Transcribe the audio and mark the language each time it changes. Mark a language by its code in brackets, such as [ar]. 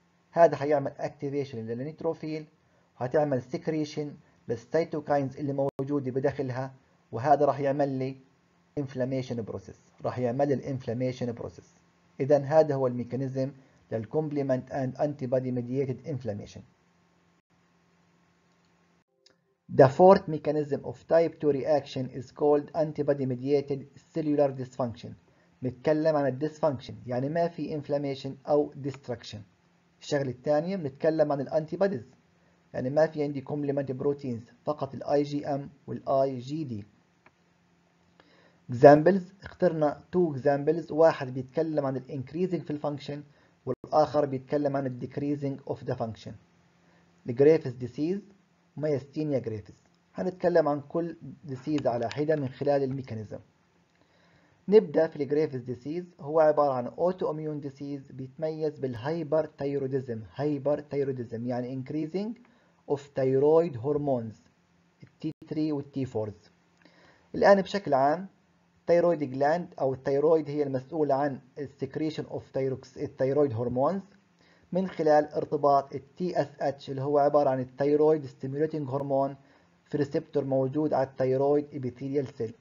[ar] هذا حيعمل اكتيفيشن للنيتروفيل، وحتعمل سكريشن للسيتوكاينز اللي موجوده بداخلها، وهذا راح يعمل لي انفلاميشن بروسيس، راح يعمل الانفلاميشن بروسيس. اذا هذا هو [en] الميكانيزم للكومبلمنت and antibody mediated inflammation. The fourth mechanism of type 2 reaction is called antibody mediated cellular dysfunction. [ar] نتكلم عن الديسفانكشن، يعني ما في انفلاميشن او ديستركشن. الشغله الثانيه بنتكلم عن الانتي باديز، يعني ما في عندي كومبلمنت بروتينز، فقط الاي جي ام والاي جي دي. Examples، اخترنا [en] two examples، [ar] واحد بيتكلم عن الانكريزنج في الفانكشن والاخر بيتكلم عن الديكريزنج اوف ذا فانكشن. الجريفز ديسيز ميستينيا جريفز، هنتكلم عن كل ديسيز على حدة من خلال الميكانيزم. نبدأ في الجريفز ديسيز، هو عبارة عن اوتو اميون ديسيز بيتميز بالهايبر تيروديزم. هايبر تيروديزم يعني [en] increasing of thyroid hormones T3 [ar] والT4. الآن بشكل عام تيرويد جلاند أو التيرويد هي المسؤولة عن [en] secretion of thyroid hormones [ar] من خلال ارتباط الـ TSH اللي هو عبارة عن الثيرويد ستيمولاتينج هرمون في ريسبتور موجود على الثيرويد إبيثيليال سيل.